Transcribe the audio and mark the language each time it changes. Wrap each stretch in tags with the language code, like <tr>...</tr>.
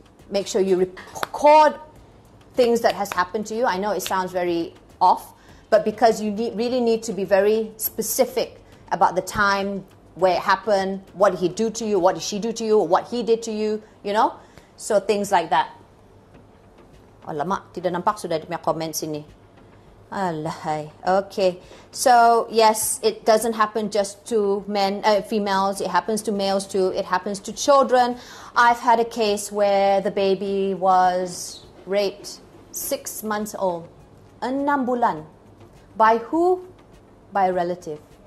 <en>Make sure you record things that has happened to you. I know it sounds very off, but because you really need to be very specific about the time, where it happened, what did he do to you, what did she do to you, or what he did to you, you know? So things like that.</en> <ms>Alamak, tidak nampak sudah di komen sini. Alahai. Okay.</ms> <en>So, yes, it doesn't happen just to men, females. It happens to males too. It happens to children. I've had a case where the baby was raped 6 months old.</en> <ms>6 bulan.</ms> <en>By who? By a relative.</en>